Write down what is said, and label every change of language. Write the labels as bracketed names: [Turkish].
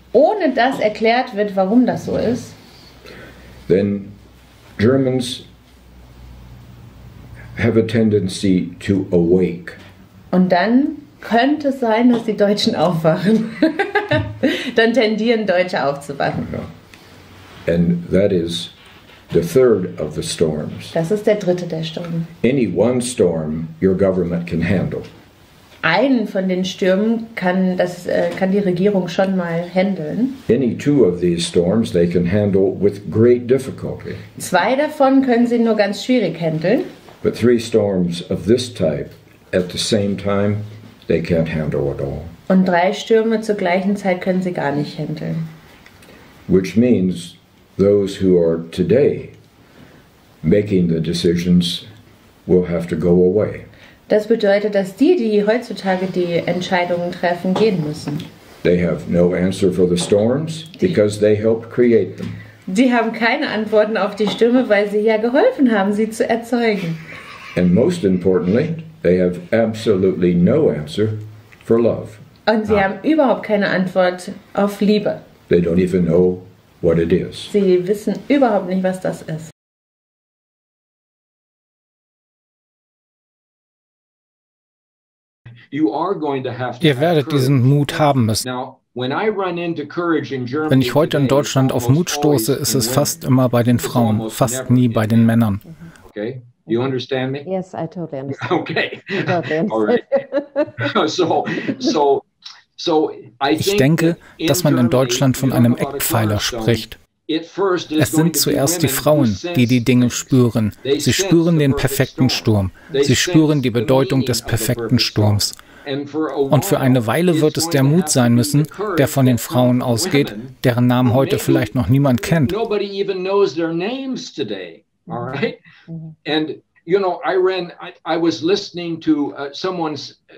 [German] ohne dass erklärt wird, warum das so ist, [English] then Germans have a tendency to awake. [German] Und dann könnte es sein, dass die Deutschen aufwachen. Dann tendieren Deutsche aufzuwachen. [English] Yeah. And that is the third of the storms. [German] Das ist der dritte der Stürme. [English] Any one storm your government can handle. [German] Einen von den Stürmen kann die Regierung schon mal handeln. [English] Any two of these storms they can handle with great difficulty. [German] Zwei davon können sie nur ganz schwierig handeln. [English] But three storms of this type at the same time they can't handle at all. [German] Und drei Stürme zur gleichen Zeit können sie gar nicht handeln. [English] Which means those who are today making the decisions will have to go away. [German] Das bedeutet, dass die heutzutage die Entscheidungen treffen, gehen müssen. [English] They have no answer for the storms because they helped create them. [German] Die haben keine Antworten auf die Stürme, weil sie ja geholfen haben, sie zu erzeugen. [English] And most importantly, they have absolutely no answer for love. [German] Und sie haben überhaupt keine Antwort auf Liebe. [English] They don't even know what it is. [German] Sie wissen überhaupt nicht, was das ist. Ihr werdet diesen Mut haben müssen. Wenn ich heute in Deutschland auf Mut stoße, ist es fast immer bei den Frauen, fast nie bei den Männern. [English] Okay, you understand me? Yes, I totally understand. Okay, all right. So, [German] ich denke, dass man in Deutschland von einem Eckpfeiler spricht. Es sind zuerst die Frauen, die die Dinge spüren. Sie spüren den perfekten Sturm. Sie spüren die Bedeutung des perfekten Sturms. Und für eine Weile wird es der Mut sein müssen, der von den Frauen ausgeht, deren Namen heute vielleicht noch niemand kennt. [English] Und, you know, I was listening to someone's.